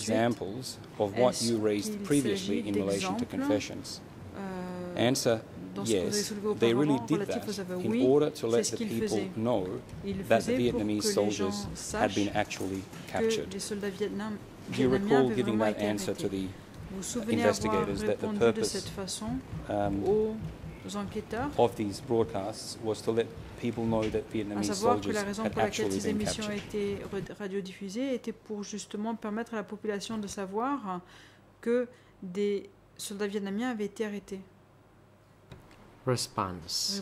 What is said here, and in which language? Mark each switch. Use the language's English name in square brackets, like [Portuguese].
[English] examples of what you raised previously in relation to confessions? Answer, yes, they really did that in order to let the people [French] faisait. [English] Know that the Vietnamese soldiers had been actually captured. Do you recall giving that answer to the [French] Vous souvenez avoir répondu de cette façon aux enquêteurs [English] of these broadcasts was to let people know that Vietnamese soldiers had actually [French] been captured. À savoir que la raison pour laquelle ces émissions étaient radiodiffusées était pour justement permettre à la population de savoir que des soldats vietnamiens avaient été arrêtés. [English] Response.